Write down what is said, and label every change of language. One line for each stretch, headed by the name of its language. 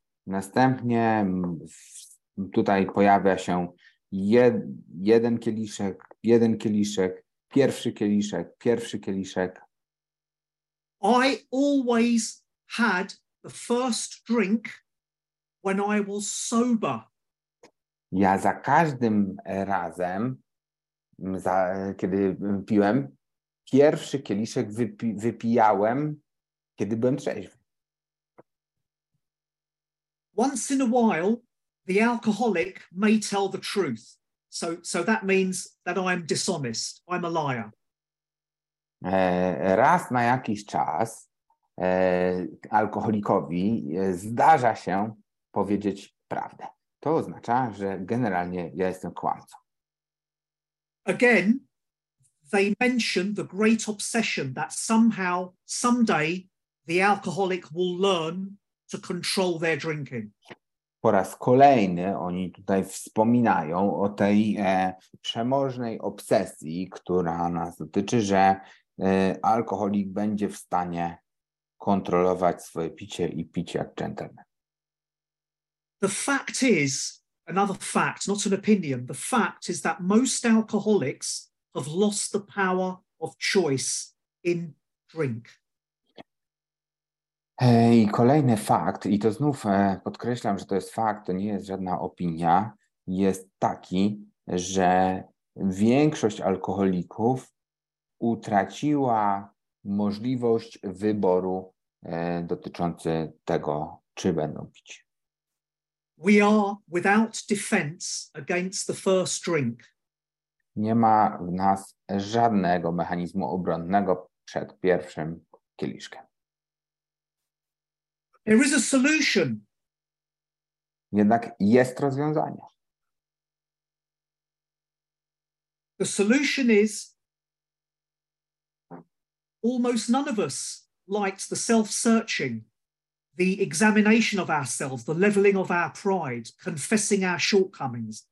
Polish: Następnie tutaj pojawia się jeden kieliszek, pierwszy kieliszek.
English: I always had the first drink when I was sober.
Polish: Ja za każdym razem, kiedy piłem, pierwszy kieliszek wypijałem, kiedy byłem trzeźwy.
English: Once in a while, the alcoholic may tell the truth. So that means that I am dishonest. I'm a liar.
Polish: Raz na jakiś czas alkoholikowi zdarza się powiedzieć prawdę. To oznacza, że generalnie ja jestem kłamcą.
English: Again, they mention the great obsession that somehow, someday, the alcoholic will learn to control their drinking.
Polish: Po raz kolejny oni tutaj wspominają o tej przemożnej obsesji, która nas dotyczy, że alkoholik będzie w stanie kontrolować swoje picie i pić jak dżentelmen.
English: The fact is, another fact, not an opinion, the fact is that most alcoholics have lost the power of choice in drink.
Polish: I kolejny fakt, i to znów podkreślam, że to jest fakt, to nie jest żadna opinia, jest taki, że większość alkoholików utraciła możliwość wyboru dotyczący tego, czy będą pić.
English: We are without defense against the first drink.
Polish: Nie ma w nas żadnego mechanizmu obronnego przed pierwszym kieliszkiem.
English: There is a solution.
Polish: Jednak jest rozwiązanie.
English: The solution is almost none of us likes the self-searching, the examination of ourselves, the leveling of our pride, confessing our shortcomings.